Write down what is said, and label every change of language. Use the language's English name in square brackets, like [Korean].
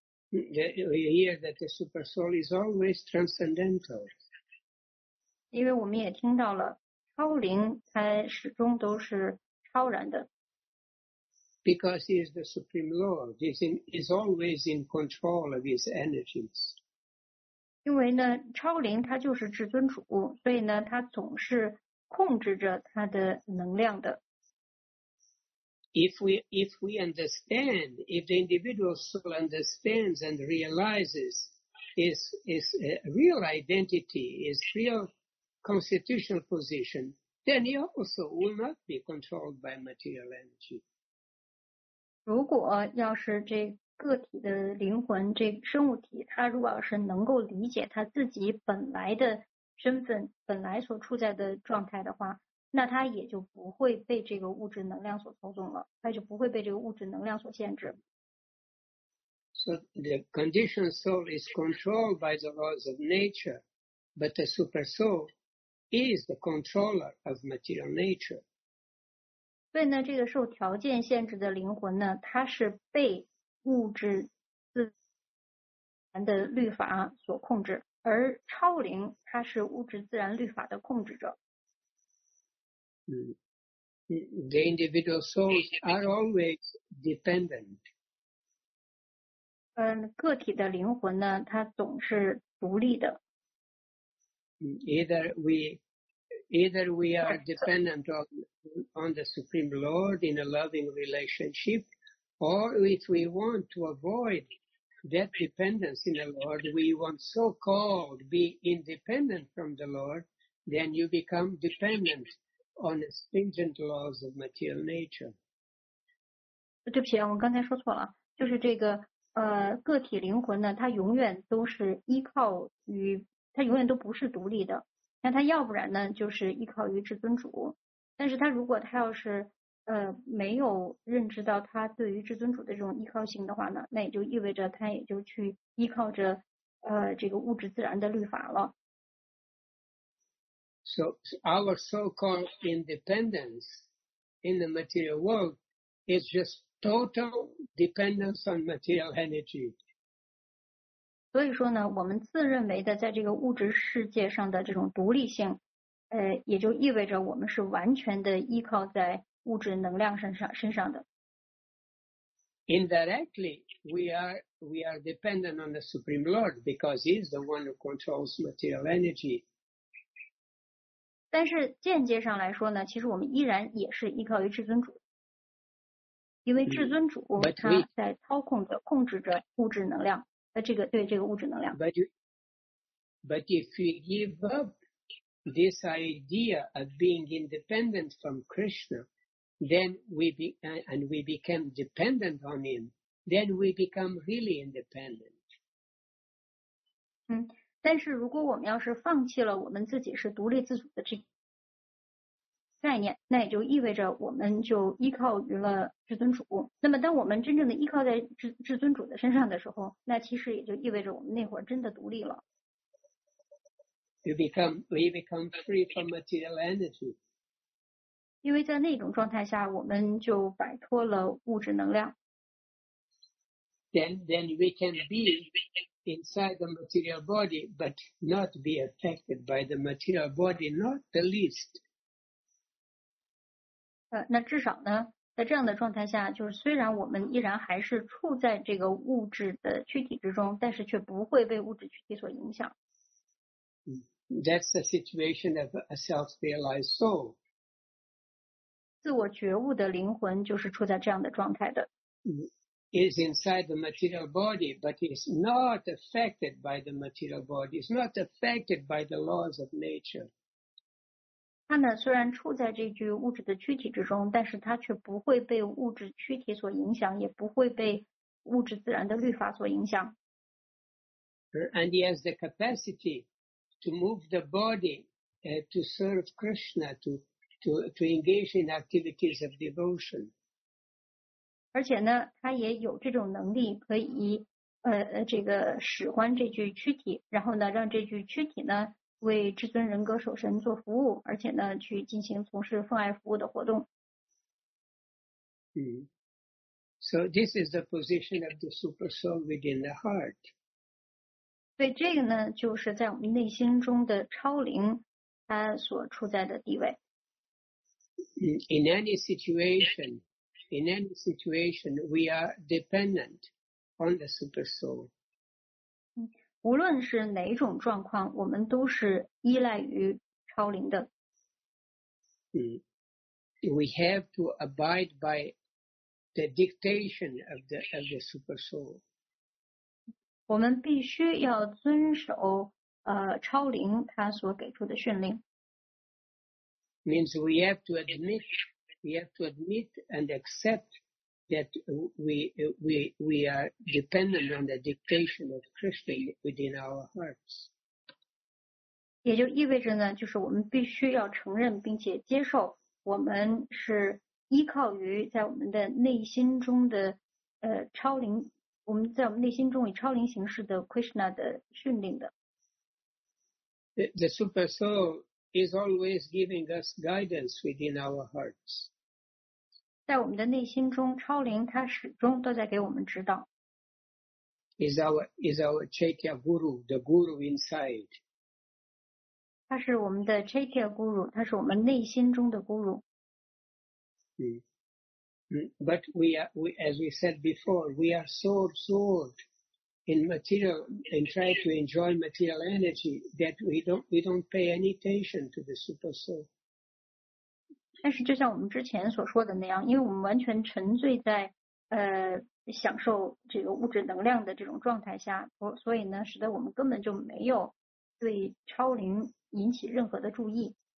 [English] We hear that the super soul is always transcendental. [Chinese] 因为我们也听到了超灵它始终都是超然的。 [English] Because he is the supreme lord, he is always in control of his energies. [Chinese] 因为呢，超灵它就是至尊主，所以呢，它总是控制着它的能量的。 [English] If we understand, if the individual soul understands and realizes his real identity, his real constitutional position, then he also will not be controlled by material energy. [Chinese] 如果要是这个体的灵魂，这个生物体，它如果要是能够理解它自己本来的身份，本来所处在的状态的话，那他也就不会被这个物质能量所操纵了，他就不会被这个物质能量所限制。 [English] So the conditioned soul is controlled by the laws of nature, but the super soul is the controller of material nature. [Chinese] 所以呢，这个受条件限制的灵魂呢，它是被物质自然的律法所控制，而超灵它是物质自然律法的控制者。 [English] The individual souls are always dependent. [Chinese] 个体的灵魂呢，它总是独立的。 [English] Either we are dependent on the Supreme Lord in a loving relationship, or if we want to avoid that dependence in the Lord, we want so-called be independent from the Lord, then you become dependent on the stringent laws of material nature. [Chinese] 对不起，我刚才说错了，就是这个个体灵魂呢，它永远都是依靠于，它永远都不是独立的。那它要不然呢，就是依靠于至尊主。但是它如果它要是没有认知到它对于至尊主的这种依靠性的话呢，那也就意味着它也就去依靠着这个物质自然的律法了。 [English] So our so-called independence in the material world is just total dependence on material energy. [Chinese] 所以说呢，我们自认为的在这个物质世界上的这种独立性，也就意味着我们是完全的依靠在物质能量身上的。 [English] Indirectly, we are dependent on the Supreme Lord because he is the one who controls material energy. [Chinese] 但是间接上来说呢，其实我们依然也是依靠于至尊主，因为至尊主他在操控着、控制着物质能量，这个对这个物质能量。 [English] But if you give up this idea of being independent from Krishna, then we become dependent on him, then we become really independent. [Chinese] 但是如果我们要是放弃了我们自己是独立自主的这个概念，那也就意味着我们就依靠于了至尊主。那么当我们真正的依靠在至尊主的身上的时候，那其实也就意味着我们那会儿真的独立了。 [English] We become free from material energy. [Chinese] 因为在那种状态下，我们就摆脱了物质能量。 [English] Then we can be inside the material body, but not be affected by the material body, not the least. [Chinese] 那至少呢，在这样的状态下，就是虽然我们依然还是处在这个物质的躯体之中，但是却不会被物质躯体所影响。 [English] That's the situation of a self-realized soul. [Chinese] 自我觉悟的灵魂就是处在这样的状态的。 [English] Is inside the material body, but is not affected by the material body. Is not affected by the laws of nature. [Chinese] 他呢，虽然处在这具物质的躯体之中，但是他却不会被物质躯体所影响，也不会被物质自然的律法所影响。 [English] And he has the capacity to move the body, to serve Krishna, to engage in activities of devotion. [Chinese] 而且呢，他也有这种能力，可以这个使唤这具躯体，然后呢，让这具躯体呢为至尊人格守神做服务，而且呢，去进行从事奉爱服务的活动。 [English] So this is the position of the super soul within the heart. [Chinese] 对，这个呢，就是在我们内心中的超灵，它所处在的地位。 [English] In any situation. In any situation, we are dependent on the super soul. [Chinese] 无论是哪种状况，我们都是依赖于超灵的。 [English] We have to abide by the dictation of the super soul. [Chinese] 我们必须要遵守超灵它所给出的训令。 [English] Means we have to admit. We have to admit and accept that we are dependent on the dictation of Krishna within our hearts. [Chinese] 也就意味着呢，就是我们必须要承认并且接受，我们是依靠于在我们的内心中的超灵，我们在我们内心中以超灵形式的 Krishna 的训令的。 [English] The super soul is always giving us guidance within our hearts. [Chinese] 在我们的内心中，超灵它始终都在给我们指导。 [English] Is our Chaitya Guru, the Guru inside. [Chinese] 它是我们的 Chaitya Guru, 它是我们内心中的 Guru. [English] But as we said before, we are so absorbed in material and try to enjoy material energy that we don't pay any attention to the super soul. [Chinese] 但是就像我们之前所说的那样，因为我们完全沉醉在享受这个物质能量的这种状态下，所以呢，使得我们根本就没有对超灵引起任何的注意。